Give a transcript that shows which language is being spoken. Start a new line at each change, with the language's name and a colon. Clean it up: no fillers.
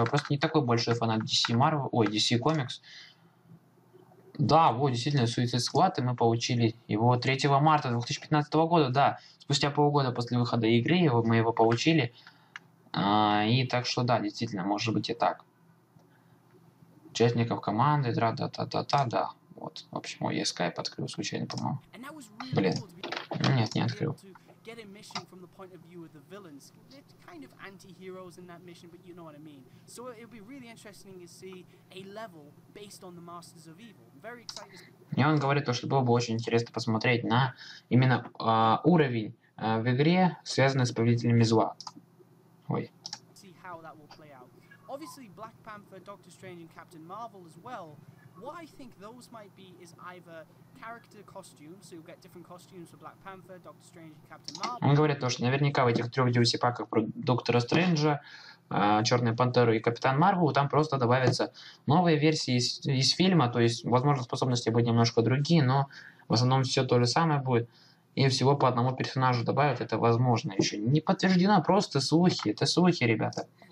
Russian: Я просто не такой большой фанат DC Marvel. Ой, DC Comics. Да, вот, действительно, Suicide Squad, и мы получили его 3 марта 2015 года, да. Спустя полгода после выхода игры мы его получили. И так что, да, действительно, может быть и так. Участников команды, да-да-да-да-да, да. Вот, в общем, я Skype открыл случайно, по-моему. Блин, нет, не открыл.
English: Get a mission from the point of view of the villains. They're kind of anti-heroes in that mission, but you know what I mean. So it'll be really interesting to see a level based on the Masters of Evil. Very exciting.
Russian: И он говорит то, что было бы очень интересно посмотреть на именно уровень в игре, связанный с Повелителями Зла.
English: Ой. See how that will play out. Obviously, Black Panther, Doctor Strange, and Captain Marvel as well. What I think those might be is either character costumes, so you'll get different costumes for Black Panther, Doctor Strange, and Captain Marvel.
Russian: Он говорит то, что наверняка в этих трех DLC-паках про Доктора Стрэнджа, Черную Пантеру и Капитан Марвел, там просто добавятся новые версии из фильма, то есть, возможно, способности будут немножко другие, но в основном все то же самое будет. И всего по одному персонажу добавят, это возможно еще. Не подтверждено, просто слухи, это слухи, ребята.